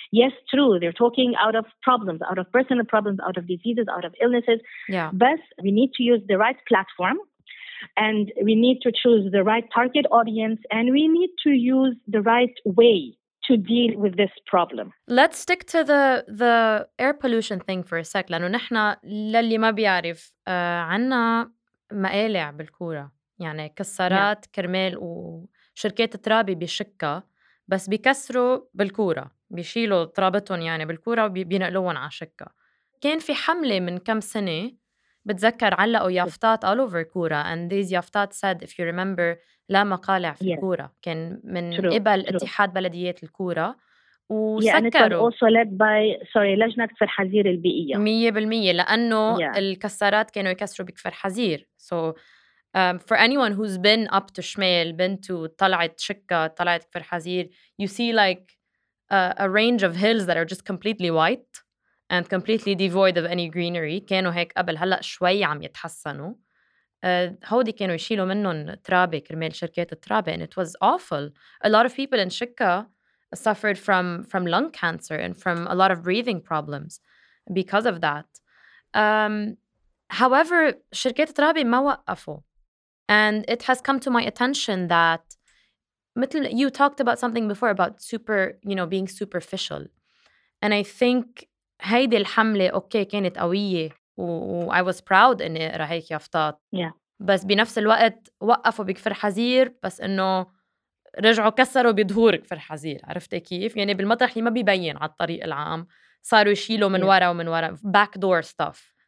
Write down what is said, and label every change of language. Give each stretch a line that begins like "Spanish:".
English: Yes, true, they're talking out of problems, out of personal problems, out of diseases, out of illnesses. Yeah. But we need to use the right platform and we need to choose the right target audience and we need to use the right way to deal with this problem. Let's stick to the air pollution thing for a sec.
Arabic: لأنه نحن للي ما بيعرف عنا مقالع بالكورة يعني كسرات كرمال و شركات ترابي بشكة بس بيكسروا بالكورة بيشيلوا ترابتهم يعني بالكورة وبينقلوهم على شكة. كان في حملة من كم سنة بتذكر علقوا يافطات
English: all over
Arabic: كورة
English: and these
Arabic: يافطات
English: said if you remember
Arabic: لا مقالع في كورة كان من قبل اتحاد بلديات الكورة وسكروا
English: and it was also led by لجنة كفر حزير البيئية
Arabic: 100% لأنه الكسارات كانوا يكسروا بكفر حزير.
English: So for anyone who's been up to Shmail, been to Talat Shikka, Talat Kfir Hazir, you see like a range of hills that are just completely white and completely devoid of any greenery.
Arabic: كانوا هيك قبل هلا شوي عم يتحسنوا. هودي كانوا يشيلوا منهم ترابة كرمال شركات الترابة,
English: and it was awful. A lot of people in Shika suffered from lung cancer and from a lot of breathing problems because of that. However,
Arabic: شركات الترابة ما وقفوا.
English: And it has come to my attention that you talked about something before about super, you know, being superficial. And I think
Arabic: هيدي الحملة أوكي كانت قوية
English: I was proud
Arabic: إني أقرأ هيك يافطات.
English: Yeah.
Arabic: بس بنفس الوقت وقفوا بكفر حزير بس إنه رجعوا كسروا بظهور كفر حزير, عرفتي كيف؟ يعني بالمطرح اللي ما بيبين على الطريق العام صاروا يشيلوا من ورا ومن ورا
English: backdoor stuff.